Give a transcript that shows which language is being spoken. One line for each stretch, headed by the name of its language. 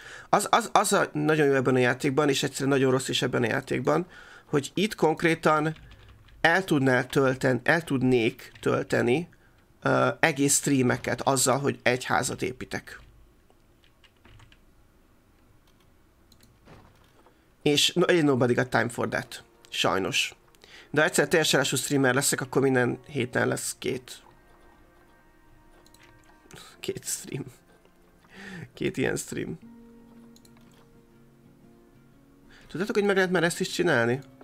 Hungarian: Az a nagyon jó ebben a játékban, és egyszerűen nagyon rossz is ebben a játékban, hogy itt konkrétan el tudnék tölteni egész streameket azzal, hogy egy házat építek.
English: És nobody got time for that.
Hungarian: Sajnos. De ha egyszer teljesen lassú streamer leszek, akkor minden héten lesz két stream. Két ilyen stream. Tudjátok, hogy meg lehet már ezt is csinálni?